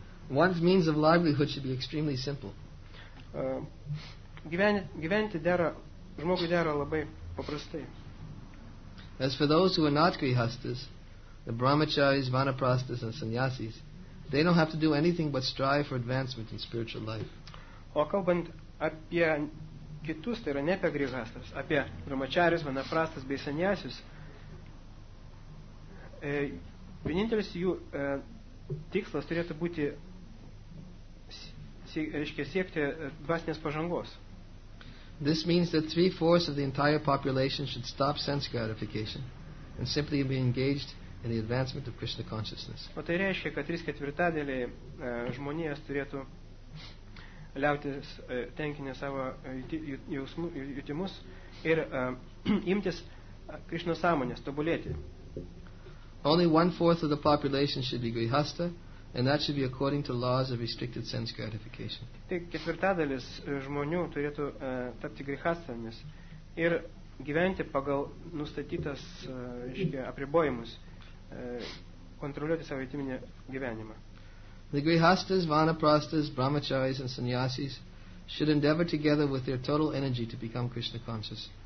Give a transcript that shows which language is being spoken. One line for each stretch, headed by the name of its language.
English: One's means of livelihood should be extremely simple.
Lithuanian: Gyventi dera, žmogui dera labai paprastai.
English: As for those who are not grihastas, the brahmacharis, vanaprastas and sannyasis, they don't have to do anything but strive for advancement in spiritual life.
Lithuanian: O kalbant apie kitus, tai yra ne apie grihastas, apie brahmacharis, vanaprastas bei sannyasis, vienintelis jų tikslas turėtų būti siekti dvasinės pažangos.
English: This means that 3/4 of the entire population should stop sense gratification and simply be engaged in the advancement of Krishna consciousness.
Lithuanian: O tai reiškia, kad 3/4 žmonijos turėtų liautis tenkinę savo jutimus ir imtis Krishna sąmonės, tobulėti.
English: Only 1/4 of the population should be grihasta, and that should be according to laws of restricted sense gratification.
Lithuanian: Tik ketvirtadalis žmonių turėtų tapti grihastomis ir gyventi pagal nustatytas apribojimus, kontroliuoti savo jutiminį gyvenimą.
English: The grihastas, vanaprastas, brahmacharis and sannyasis should endeavor together with their total energy to become Krishna conscious.